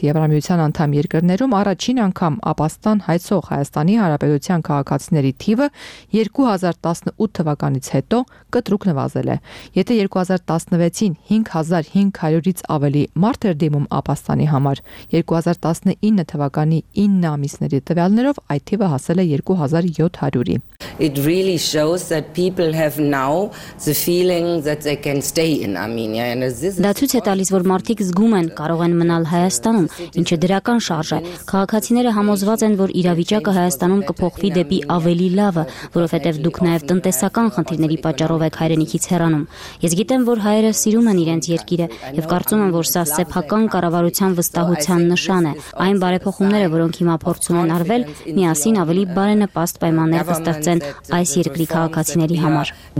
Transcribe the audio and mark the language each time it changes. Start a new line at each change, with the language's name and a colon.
Armenian: Եվրամիության անդամ երկրներում առաջին անգամ ապաստան հայցող Հայաստանի Հանրապետության քաղաքացիների թիվը 2018 թվականից հետո կտրուկ նվազել է. Եթե 2016-ին 5500-ից ավելի մարդ էր դիմում ապաստանի համար, 2019 թվականի 9 ամիսների տվյալներով այդ թիվը հասել է 2700-ի։
English: It really shows that people have now the feeling that they can stay in Armenia and as this is
Armenian: Դա ցույց է տալիս, որ մարդիկ զգում են, կարող են մնալ Հայաստանում, ինչը դրական շարժ է։ Քաղաքացիները համոզված են, որ իրավիճակը Հայաստանում կփոխվի դեպի ավելի լավը, որովհետև դուք նաև տնտեսական խնդիրների պատճառով եք հայրենիքից հեռանում։ Ես գիտեմ, որ հայերը սիրում են իրենց երկիրը, եւ կարծում եմ, որ սա սեփական կառավարության վստահության նշան է։ Այն բարեփոխումները, որոնք հիմա փորձում են արվել, միասին ավելի բարենպաստ պայմաններ կստեղծեն այս երկրի քաղաքացիների համար։